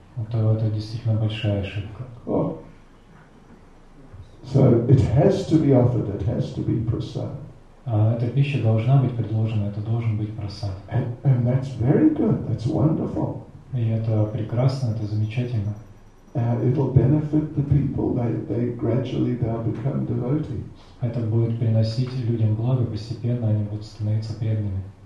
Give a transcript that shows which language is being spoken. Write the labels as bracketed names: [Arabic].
[Russian] То это действительно большая ошибка. [English] So it has to be offered, it has to be prasad. [Russian] Эта пища должна быть предложена, это должен быть прасад. [English] And that's very good, that's wonderful. [Russian] И это прекрасно, это замечательно. [English] It'll benefit the people, they gradually they'll become devotees. [Russian] Это будет приносить людям благо, постепенно они будут становиться преданными.